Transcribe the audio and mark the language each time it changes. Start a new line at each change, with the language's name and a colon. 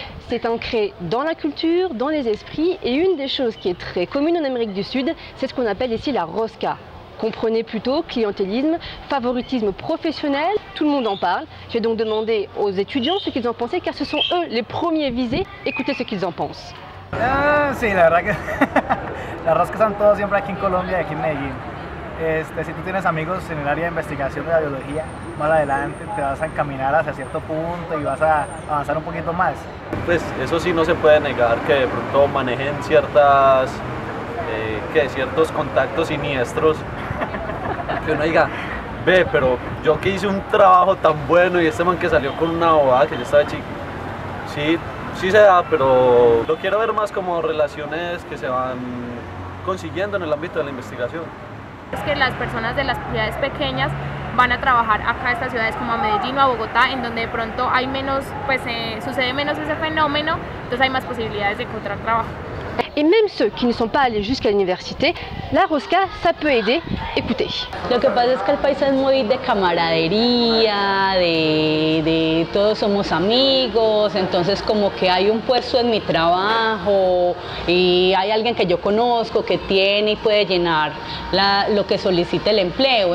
French: C'est ancré dans la culture, dans les esprits, et une des choses qui est très commune en Amérique du Sud, c'est ce qu'on appelle ici la rosca. Comprenez plutôt clientélisme, favoritisme professionnel, tout le monde en parle. J'ai donc demandé aux étudiants ce qu'ils en pensaient, car ce sont eux les premiers visés. Écoutez ce qu'ils en pensent.
Spanish: Ah, si, la verdad que la rosca están todos siempre aquí en Colombia, aquí en Medellín. Si tú tienes amigos en el área de investigación de la biología, más adelante te vas a encaminar hacia cierto punto y vas a avanzar un poquito más. Pues eso sí no se puede negar que de pronto manejen ciertas ciertos contactos siniestros. Que uno diga, ve, pero yo que hice un trabajo tan bueno y este man que salió con una bobada que ya estaba chico. Sí, sí se da, pero lo quiero ver más como relaciones que se van consiguiendo en el ámbito de la investigación. Es que las personas de las ciudades pequeñas van a trabajar acá a estas ciudades como a Medellín o a Bogotá, en donde de pronto hay menos, pues sucede menos ese fenómeno, entonces hay más posibilidades de encontrar trabajo.
French: Et même ceux qui ne sont pas allés jusqu'à l'université, la rosca, ça peut aider. Écoutez.
Spanish: Lo que pasa es que el país es muy de camaradería, de todos somos amigos, entonces como que hay un puesto en mi trabajo y hay alguien que yo conozco que tiene y puede llenar lo que solicita el empleo.